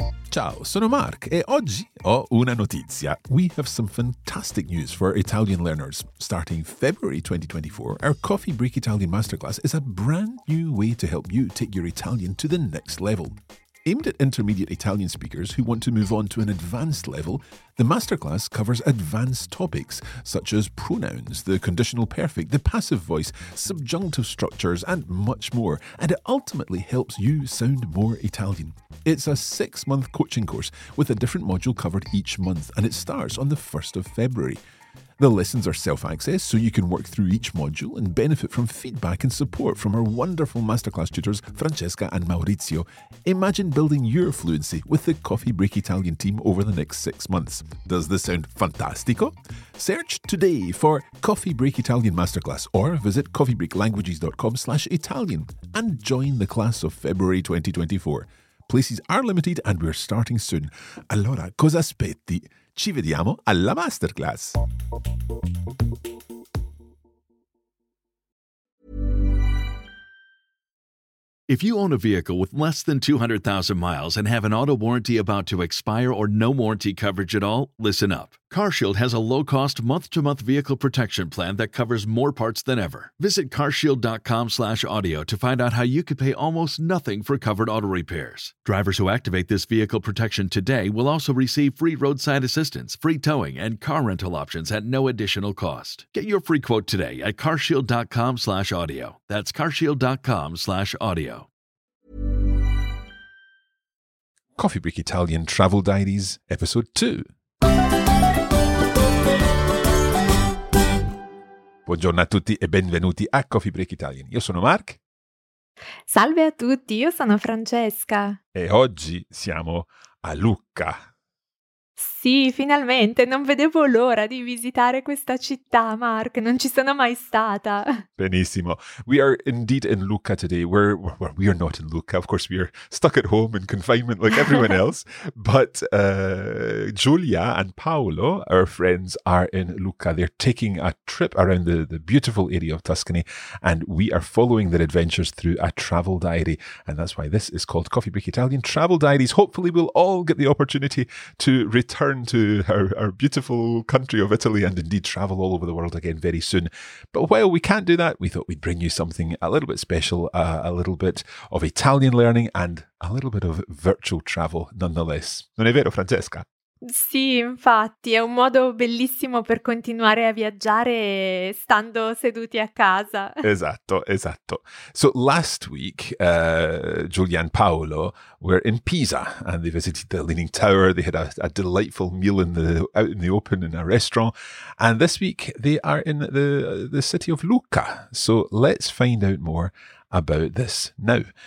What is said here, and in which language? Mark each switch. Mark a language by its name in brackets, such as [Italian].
[Italian] Ciao, sono Mark e oggi ho una notizia. [English] We have some fantastic news for Italian learners. Starting February 2024, our Coffee Break Italian Masterclass is a brand new way to help you take your Italian to the next level. Aimed at intermediate Italian speakers who want to move on to an advanced level, the masterclass covers advanced topics such as pronouns, the conditional perfect, the passive voice, subjunctive structures, and much more, and it ultimately helps you sound more Italian. It's a six-month coaching course with a different module covered each month, and it starts on the 1st of February. The lessons are self-access, so you can work through each module and benefit from feedback and support from our wonderful masterclass tutors, Francesca and Maurizio. Imagine building your fluency with the Coffee Break Italian team over the next 6 months. Does this sound fantastico? Search today for Coffee Break Italian Masterclass or visit coffeebreaklanguages.com/Italian and join the class of February 2024. Places are limited and we're starting soon. [Italian] Allora, cosa aspetti? Ci vediamo alla masterclass. [English] If you own a vehicle with less than 200,000 miles and have an auto warranty about to expire or no warranty coverage at all, listen up. CarShield has a low-cost, month-to-month vehicle protection plan that covers more parts than ever. Visit carshield.com/audio to find out how you could pay almost nothing for covered auto repairs. Drivers who activate this vehicle protection today will also receive free roadside assistance, free towing, and car rental options at no additional cost. Get your free quote today at carshield.com/audio. That's carshield.com/audio. Coffee Break Italian Travel Diaries, Episode 2. [Italian] Buongiorno a tutti e benvenuti a Coffee Break Italian. Io sono Mark. Salve a tutti, io sono Francesca. E oggi siamo a Lucca. Sì, finalmente, non vedevo l'ora di visitare questa città, Mark, non ci sono mai stata. Benissimo. [English] We are indeed in Lucca today. We are not in Lucca, of course we are stuck at home in confinement like everyone else, but Giulia and Paolo, our friends, are in Lucca. They're taking a trip around the beautiful area of Tuscany and we are following their adventures through a travel diary, and that's why this is called Coffee Break Italian Travel Diaries. Hopefully we'll all get the opportunity to return to our beautiful country of Italy and indeed travel all over the world again very soon. But while we can't do that, we thought we'd bring you something a little bit special, a little bit of Italian learning and a little bit of virtual travel nonetheless. [Italian] Non è vero, Francesca? Sì, infatti, è un modo bellissimo per continuare a viaggiare stando seduti a casa. Esatto, esatto. [English] So last week, Giulia and Paolo were in Pisa and they visited the Leaning Tower. They had a delightful meal out in the open in a restaurant. And this week they are in the city of Lucca. So let's find out more about this now.